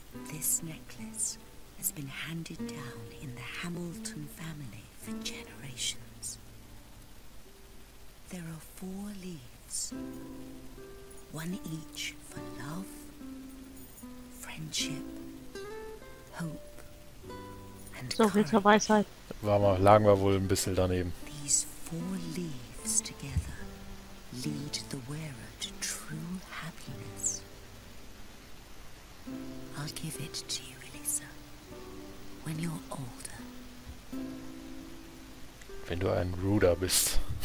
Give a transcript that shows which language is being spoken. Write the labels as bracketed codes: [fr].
[en] This necklace has been handed down in the Hamilton family for generations. There are four leaves, one each for love, friendship, hope and so, courage. [de] Weisheit. War mal, lagen wir wohl ein bisschen daneben. [en] These four leaves together lead the wearer to true happiness. I'll give it to you, Elisa, when you're older. [de] Wenn du ein Ruder bist.